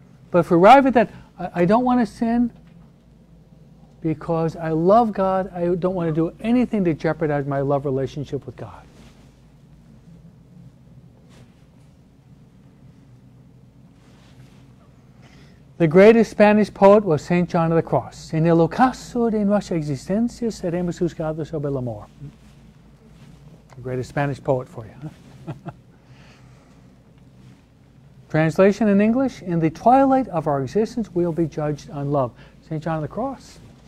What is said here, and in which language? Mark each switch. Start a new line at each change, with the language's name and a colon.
English: But if we arrive at that, I don't want to sin because I love God. I don't want to do anything to jeopardize my love relationship with God. The greatest Spanish poet was St. John of the Cross.
Spanish: En el ocaso de nuestra existencia seremos juzgados sobre el amor.
English: The greatest Spanish poet for you. Translation in English, in the twilight of our existence, we'll be judged on love. St. John of the Cross.